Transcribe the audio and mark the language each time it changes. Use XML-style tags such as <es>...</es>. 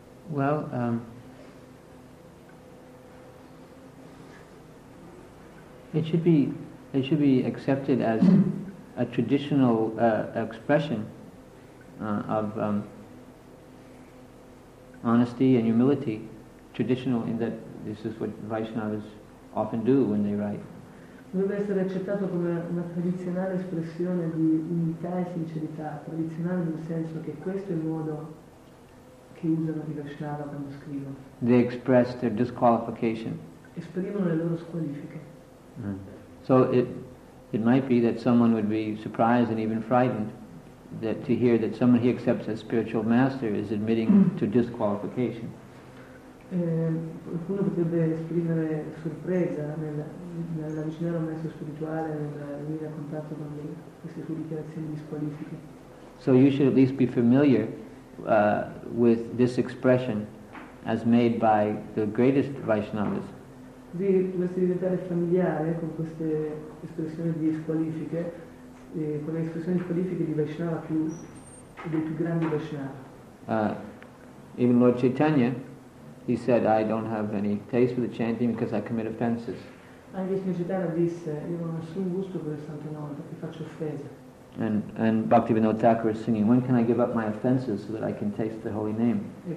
<en>Well, it should be accepted as a traditional expression of honesty and humility traditional in that this is what Vaishnavas often do when they write.</en> <it>Deve essere accettato come una tradizionale espressione di umiltà e sincerità, tradizionale nel senso che questo è il modo che usano di Vaishnava quando scrivono.</it> <en>They express their disqualification.</en> <it>Esprimono le loro squalifiche.</it> <en>So it might be that someone would be surprised and even frightened that to hear that someone he accepts as spiritual master is admitting to disqualification.</en> <it>Qualcuno potrebbe esprimere sorpresa nell'avvicinare un maestro spirituale nel venire a contatto con lui, queste sue dichiarazioni di squalifiche.</it> <en>So you should at least be familiar with this expression as made by the greatest Vaishnavas.</en> <it>Così dovresti diventare familiare con queste espressioni di squalifiche, con le espressioni di squalifiche di Vaishnava più dei più grandi Vaishnava.</it> <en>Even Lord Chaitanya, he said, I don't have any taste for the chanting because I commit offenses. And Bhaktivinoda Thakur is singing, when can I give up my offenses so that I can taste the holy name?</en>